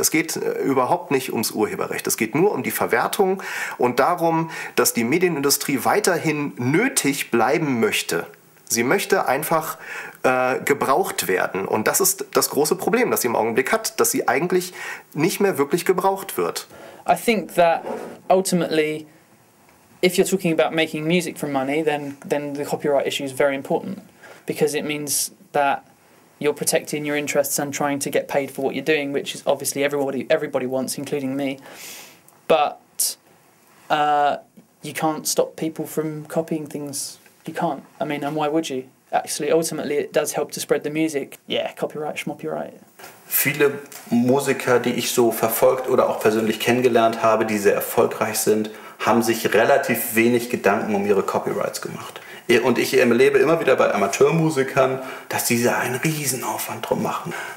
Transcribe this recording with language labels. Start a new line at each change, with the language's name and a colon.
German: Es geht überhaupt nicht ums Urheberrecht. Es geht nur um die Verwertung und darum, dass die Medienindustrie weiterhin nötig bleiben möchte. Sie möchte einfach gebraucht werden. Und das ist das große Problem, das sie im Augenblick hat, dass sie eigentlich nicht mehr wirklich gebraucht wird.
English: I think that ultimately, if you're talking about making music for money, then the copyright issue is very important. Because it means that you're protecting your interests and trying to get paid for what you're doing, which is obviously everybody wants, including me. But you can't stop people from copying things. You can't. I mean, and why would you? Actually, ultimately, it does help to spread the music. Yeah, copyright, schmoppyright.
German: Viele Musiker, die ich so verfolgt oder auch persönlich kennengelernt habe, die sehr erfolgreich sind, haben sich relativ wenig Gedanken um ihre Copyrights gemacht. Und ich erlebe immer wieder bei Amateurmusikern, dass sie da einen Riesenaufwand drum machen.